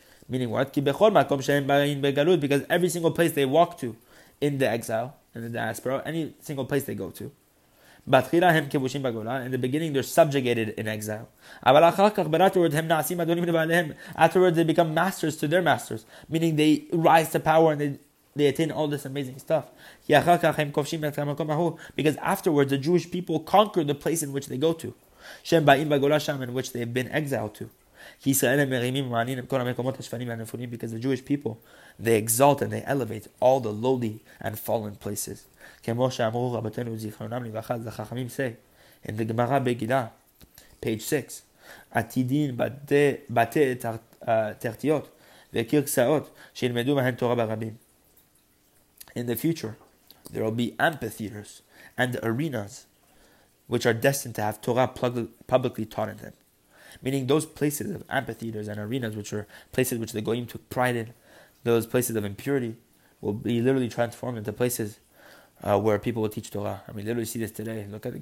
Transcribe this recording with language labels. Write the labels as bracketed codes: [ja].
[en] Meaning what? [he] כי בכל מקום שהם באים בגלות, [en] because every single place they walk to in the exile, in the diaspora, any single place they go to, [he] בתחילה הם כבושים בגולה, [en] in the beginning they're subjugated in exile. [he] אבל אחר כך, [en] but afterwards, [he] הם נעשים אדונים לבעליהם. [en] Afterwards, they become masters to their masters. Meaning they rise to power and they attain all this amazing stuff. [he] כי אחר כך הם כובשים את המקום ההוא. [en] Because afterwards, the Jewish people conquer the place in which they go to. [he] שהם באים בגולה שם, [en] in which they've been exiled to. [he] כי ישראל הם מרימים ומעלים את כל המקומות השפלים והנפולים, [en] because the Jewish people, they exalt and they elevate all the lowly and fallen places. [he] כמו שאמרו רבותינו זיכרונם לברכה, החכמים [en] say, in the Gemara [he] בגילה, [en] page 6, [he] עתידין בתי תרתיות וקיר כסאות שילמדו מהן תורה ברבים. [en] In the future, there will be amphitheaters and arenas which are destined to have Torah publicly taught in them. Meaning those places of amphitheaters and arenas, which are places which the goyim took pride in, those places of impurity, will be literally transformed into places where people will teach Torah. I mean, literally see this today. Look at it.